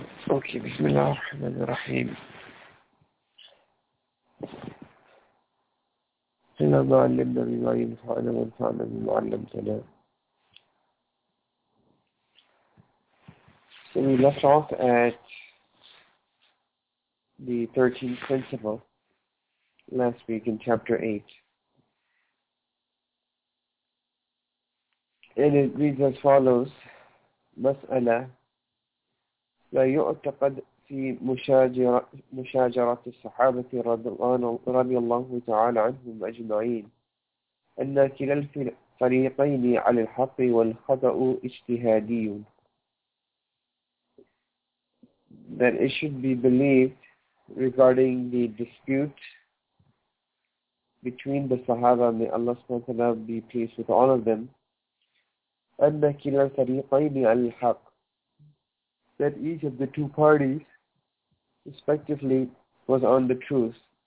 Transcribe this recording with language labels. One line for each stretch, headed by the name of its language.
Arabic: اوكي، بسم الله الرحمن الرحيم. إنا ما علمنا بما ينفعنا وانفعنا بما علمتنا.
English: So we left off at the 13th principle last week in chapter 8. And it reads as follows.
Arabic: مسألة لا يعتقد في مشاجرة الصحابة رضي الله تعالى عنهم أجمعين أن كلا الفريقين على الحق والخطأ اجتهادي.
English: That it should be believed regarding the dispute between the Sahaba, may Allah subhanahu wa ta'ala be pleased with all of them,
Arabic: أن كلا الفريقين على الحق,
English: that each of the two parties respectively was on the truth.